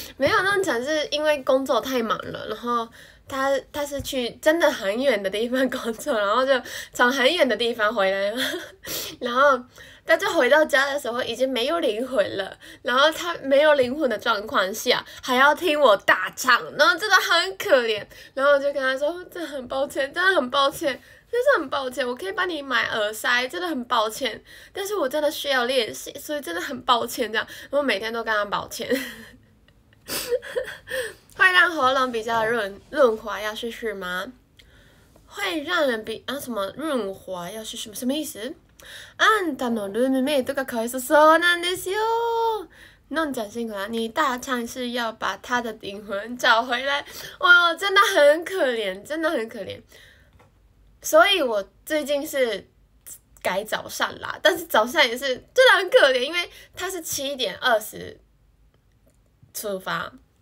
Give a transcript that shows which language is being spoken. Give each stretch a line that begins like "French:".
Chinese: 没有，那站是因为工作太忙了，然后他是去真的很远的地方工作，然后就从很远的地方回来了，然后他就回到家的时候已经没有灵魂了，然后他没有灵魂的状况下还要听我大唱，然后真的很可怜，然后我就跟他说，真的很抱歉，真的很抱歉，真的很抱歉，我可以帮你买耳塞，真的很抱歉，但是我真的需要练习，所以真的很抱歉这样，我每天都跟他抱歉。会让喉咙比较润滑，要试试吗？会让人比啊什么润滑要试试吗？什么意思？
Japanese: あんたのルームメイトがかわいそうなんですよ。
Chinese: 弄奖金啦！你大唱是要把他的灵魂找回来。哇、哦，真的很可怜，真的很可怜。所以我最近是改早上啦，但是早上也是真的很可怜，因为他是7:20出发。